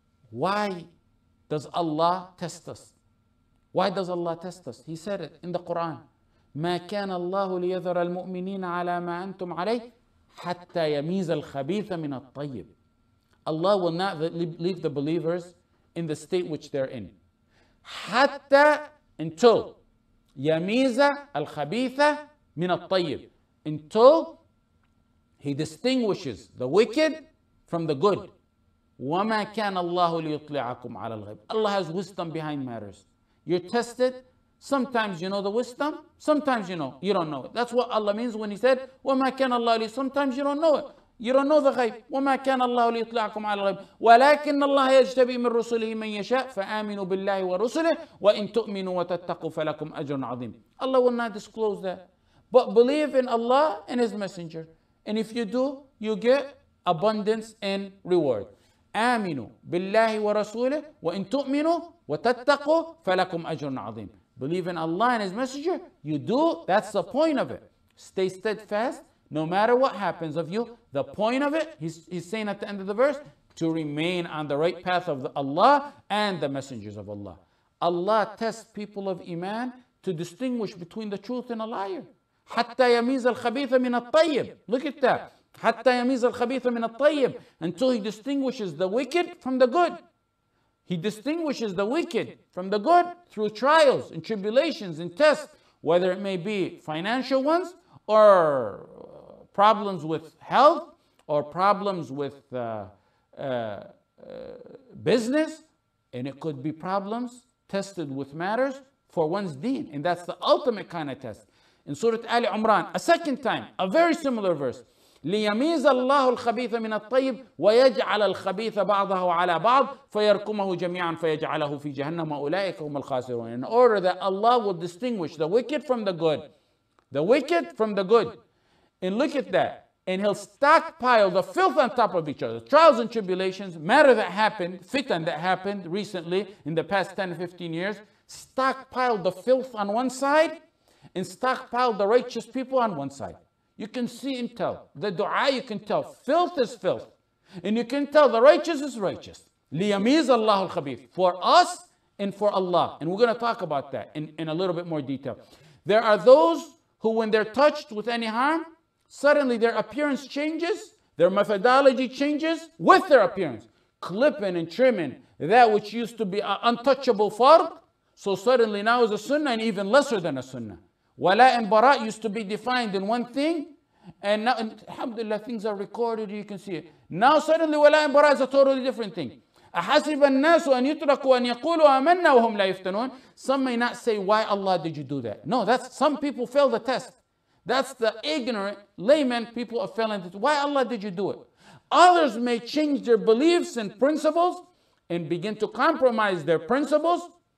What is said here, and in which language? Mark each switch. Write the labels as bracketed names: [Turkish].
[English] Why does Allah test us? Why does Allah test us? He said it in the Quran. [Arabic] مَا كَانَ اللَّهُ لِيَذَرَ الْمُؤْمِنِينَ عَلَى مَا أَنْتُمْ عَلَيْهِ حَتَّى يَمِيزَ الْخَبِيثَ مِنَ الطَّيِّبِ. [English] Allah will not leave the believers in the state which they're in. [Arabic] حَتَّى [English] until [Arabic] يَمِيزَ الْخَبِيثَ مِنَ الطَّيِّبِ. [English] Until He distinguishes the wicked from the good. [Arabic] وَمَا كَانَ اللَّهُ لِيُطْلِعَكُمْ عَلَى الْغَيْبِ. [English] Allah has wisdom behind matters. You're tested. Sometimes you know the wisdom. Sometimes you know. You don't know it. That's what Allah means when He said, [Arabic] وَمَا كَانَ اللَّهُ لِيُطْلِعَكُمْ. [English] Sometimes you don't know it. You don't know the ghaib. [Arabic] وَمَا كَانَ اللَّهُ لِيُطْلِعَكُمْ عَلَى الْغَيْبِ. وَلَكِنَّ اللَّهَ يَجْتَبِي مِنْ رُسُلِهِ مَنْ يَشَاءُ فَآمِنُوا بِاللَّهِ وَرُسُلِهِ وَإِنْ تُؤْمِنُوا وَتَتَّقُوا فَلَكُمْ أَجْرٌ عَظِيمٌ. [English] Allah will not disclose that. But believe in Allah and His Messenger. And if you do, you get abundance and reward. [Arabic] آمنوا بالله ورسوله وإن تؤمنوا وتتقوا فلكم أجر عظيم. [English] Believe in Allah and His Messenger. You do. That's the point of it. Stay steadfast. No matter what happens of you, the point of it, he's saying at the end of the verse, to remain on the right path of Allah and the messengers of Allah. Allah tests people of iman to distinguish between the truth and a liar. [Arabic] حتى يميز الخبيث من الطيب. [English] Look at that. [Arabic] حَتَّى يَمِيزَ الْخَبِيثَ مِنَ الطَّيِّبِ. [English] Until He distinguishes the wicked from the good. He distinguishes the wicked from the good through trials and tribulations and tests, whether it may be financial ones or problems with health or problems with business. And it could be problems tested with matters for one's deen. And that's the ultimate kind of test. In Surah Ali Umran, a second time, a very similar verse. [Arabic] ليميز الله الخبيث من الطيب ويجعل الخبيث بعضه على بعض فيركمه جميعا فيجعله في جهنم أولئك هم الخاسرون. [English] In order that Allah will distinguish the wicked from the good, the wicked from the good. And look at that. And he'll stockpile the filth on top of each other. Trials and tribulations, matter that happened, fitan that happened recently in the past 10, 15 years, stockpile the filth on one side and stockpile the righteous people on one side. You can see and tell. The dua, you can tell. Filth is filth. And you can tell the righteous is righteous. [Arabic] لِيَمِيزَ اللَّهُ الْخَبِيثُ [English] For us and for Allah. And we're going to talk about that in a little bit more detail. There are those who when they're touched with any harm, suddenly their appearance changes, their methodology changes with their appearance. Clipping and trimming that which used to be an untouchable fard, so suddenly now is a sunnah and even lesser than a sunnah. Wala and bara used to be defined in one thing, and now, and alhamdulillah, things are recorded, you can see it. Now suddenly wala and bara is a totally different thing. [Arabic] أحسب الناس أن يتركوا أن يقولوا آمنا وهم لا يفتنون. [English] Some may not say, why Allah did you do that? No, that's some people fail the test. That's the ignorant layman people are failing. Why Allah did you do it? Others may change their beliefs and principles and begin to compromise their principles.